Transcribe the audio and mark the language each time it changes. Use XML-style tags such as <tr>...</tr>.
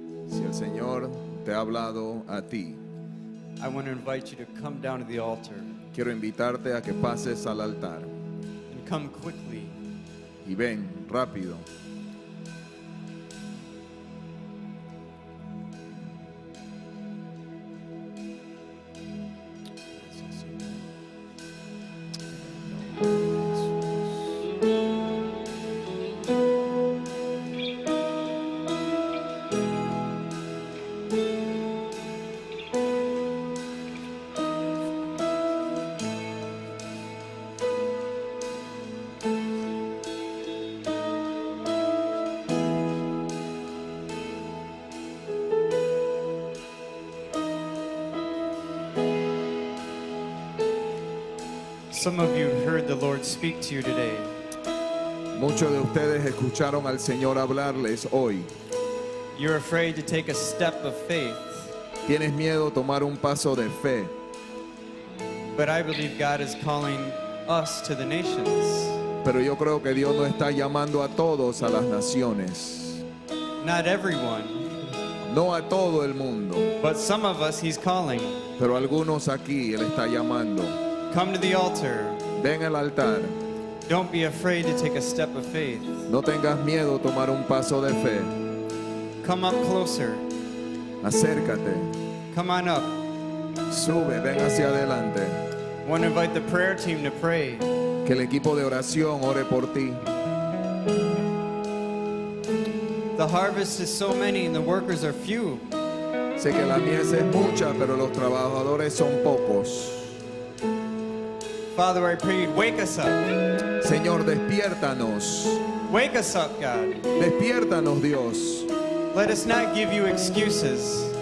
<es>Si el Señor te ha hablado a ti.</es> <en>I want to invite you to come down to the altar.</en> <es>Quiero invitarte a que pases al altar.</es> <en>And come quickly.</en> <es>Y ven rápido.</es> <en>Some of you heard the Lord speak to you today.</en> <es>Muchos de ustedes escucharon al Señor hablarles hoy.</es> <en>You're afraid to take a step of faith.</en> <es>Tienes miedo tomar un paso de fe.</es> <en>But I believe God is calling us to the nations.</en> <es>Pero yo creo que Dios nos está llamando a todos a las naciones.</es> <en>Not everyone.</en> <es>No a todo el mundo.</es> <en>But some of us he's calling.</en> <es>Pero algunos aquí él está llamando.</es> <en>Come to the altar.</en> <es>Ven al altar.</es> <en>Don't be afraid to take a step of faith.</en> <es>No tengas miedo tomar un paso de fe.</es> <en>Come up closer.</en> <es>Acércate.</es> <en>Come on up.</en> <es>Sube, ven hacia adelante.</es> <en>I want to invite the prayer team to pray.</en> <es>Que el equipo de oración ore por ti.</es> <en>The harvest is so many and the workers are few.</en> <es>Sé que la mies es mucha, pero los trabajadores son pocos.</es> <en>Father, I pray, wake us up.</en> <es>Señor, despiértanos.</es> <en>Wake us up, God.</en> <es>Despiértanos, Dios.</es> <en>Let us not give you excuses.</en>